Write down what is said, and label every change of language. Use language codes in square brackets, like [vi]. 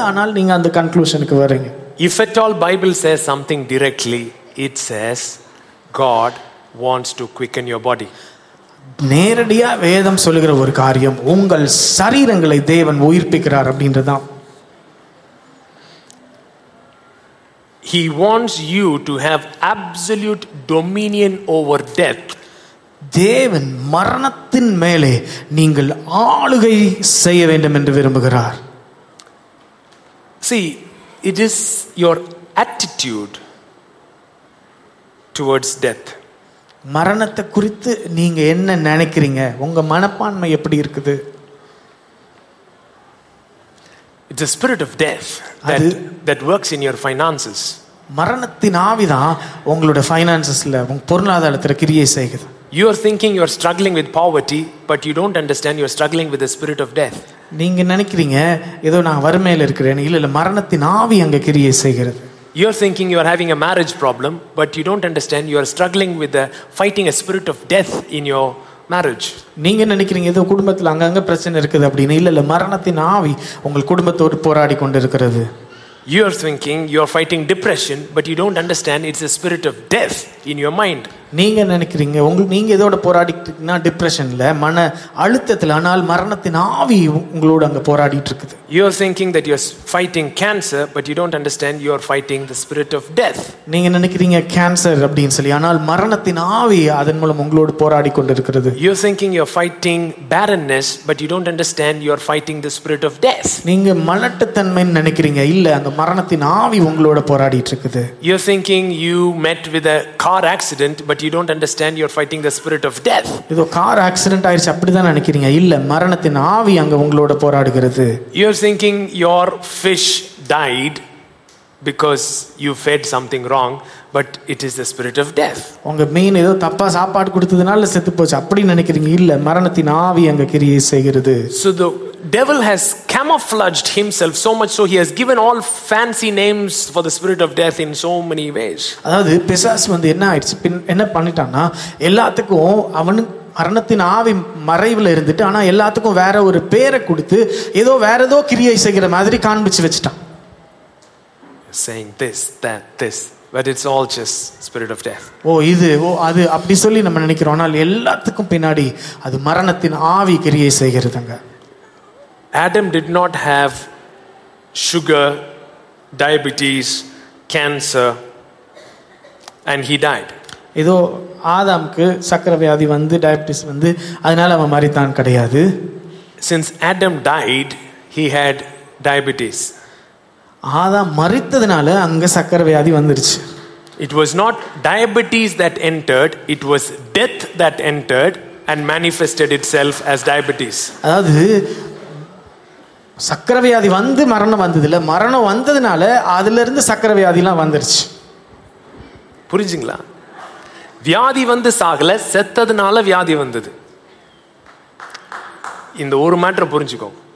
[ta] ஆனால் நீங்க அந்த கன்க்ளூஷனுக்கு வரீங்க. [en] If at all Bible says something directly, it says God wants to quicken your body. [ta] நேரடியா வேதம் சொல்லுகிற ஒரு காரியம், உங்கள் சரீரங்களை தேவன் உயிர்ப்பிக்கிறார் அப்படின்றதான். [en] He wants you to have absolute dominion over death. [ta] தேவன் மரணத்தின் மேலே நீங்கள் ஆளுகை செய்ய வேண்டும் என்று விரும்புகிறார். [en] See, it is your attitude towards death. [ta] மரணத்தை குறித்து நீங்க என்ன நினைக்கிறீங்க? உங்க மனப்பான்மை எப்படி இருக்குது? [en] It's a spirit of death that works in your finances. [ta] மரணத்தின் ஆவிதான் உங்களோட ஃபைனான்சஸ்ல உங்க பொருளாதாரத்துல கிரியை செய்கிறது. [en] You are thinking you are struggling with poverty, but you don't understand you are struggling with the spirit of death. [ta] நீங்க நினைக்கிறீங்க ஏதோ நான் வறுமையில இருக்கிறேன், இல்ல இல்ல, மரணத்தின் ஆவி அங்க கிரியை செய்கிறது. [en] You are thinking you are having a marriage problem, but you don't understand you are struggling with the fighting a spirit of death in your marriage. [ta] நீங்க நினைக்கிறீங்க ஏதோ குடும்பத்துல அங்கங்க பிரச்சனை இருக்குது அப்படின, இல்ல இல்ல, மரணத்தின் ஆவி உங்க குடும்பத்தோடு போராடி கொண்டிருக்கிறது. [en] You are thinking you are fighting depression, but you don't understand it's a spirit of death in your mind. [ta] நீங்க நினைக்கிறீங்க உங்களுக்கு நீங்க இதோட போராடிட்டு இருக்கீங்கன்னா டிப்ரெஷன்ல மன அழுத்தத்துல ஆனால் மரணத்தின் ஆவி உங்களோட அங்க போராடிட்டு இருக்குது. [en] You are thinking that you are fighting cancer, but you don't understand you are fighting the spirit of death. [ta] நீங்க நினைக்கிறீங்க கேன்சர் அப்படினு சொல்லி ஆனால் மரணத்தின் ஆவி அதன் மூலம் உங்களோட போராடி கொண்டிருக்கிறது. [en] You are thinking you are fighting barrenness, but you don't understand you are fighting the spirit of death. [ta] நீங்க மலட்டுத்தன்மை நினைக்கிறீங்க இல்ல அந்த மரணத்தின் ஆவி உங்களோட போராடிட்டு இருக்குது. [en] You are thinking you met with a car accident, but you don't understand you're fighting the spirit of death. [ta] இது கார் ஆக்சிடென்ட் ஆயிருச்சு அப்படி தான் நினைக்கிறீங்க இல்ல மரணத்தின் ஆவி அங்க உங்களோட போராடுகிறது. [en] You're thinking your fish died because you fed something wrong, but it is the spirit of death. [ta] உங்க மீன் ஏதோ தப்பா சாப்பாடு கொடுத்ததனால செத்து போச்சு அப்படி நினைக்கிறீங்க இல்ல மரணத்தின் ஆவி அங்க கிரியை செய்கிறது. [en] So the devil has camouflaged himself so much so he has given all fancy names for the spirit of death in so many ways. [ta] அதாவது பிசாசு வந்து என்ன ஆயிடுச்சு என்ன பண்ணிட்டானா எல்லாத்துக்கும் அவன் மரணத்தின் ஆவி மறைவுல இருந்துட்டு ஆனா எல்லாத்துக்கும் வேற ஒரு பேரை கொடுத்து ஏதோ வேற ஏதோ கிரியை செய்கிற மாதிரி காண்பிச்சு வச்சுட்டான். [en] Saying this, that, this. But it's all just spirit of death. [ta] Oh, இது ஓ அது அப்படி சொல்லி நம்ம நினைக்கிறோம்னா எல்லாத்துக்கும் பின்னாடி அது மரணத்தின் ஆவி கிரியை செய்கிறதுங்க. [en] Adam did not have sugar, diabetes, cancer, and he died. [ta] இதோ ஆதாம்க்கு சக்கரை வியாதி வந்து டயபெட்டிஸ் வந்து அதனால அவன் மாறித்தான் கிடையாது. [en] Since Adam died, he had diabetes. [ta] ஆதாம் மரித்ததுனால அங்க சக்கரை வியாதி வந்துருச்சு. [en] It was not diabetes that entered, it was death that entered and manifested itself as diabetes. [ta] அதாவது சக்கரை வியாதி வந்து மரணம் வந்தது இல்ல மரணம் வந்ததுனால அதுல இருந்து சக்கரை வியாதி எல்லாம் வந்துருச்சு. புரிஞ்சுங்களா? வியாதி வந்து சாகல செத்ததுனால வியாதி வந்தது. இந்த ஒரு மேட்டர் புரிஞ்சுக்கோ.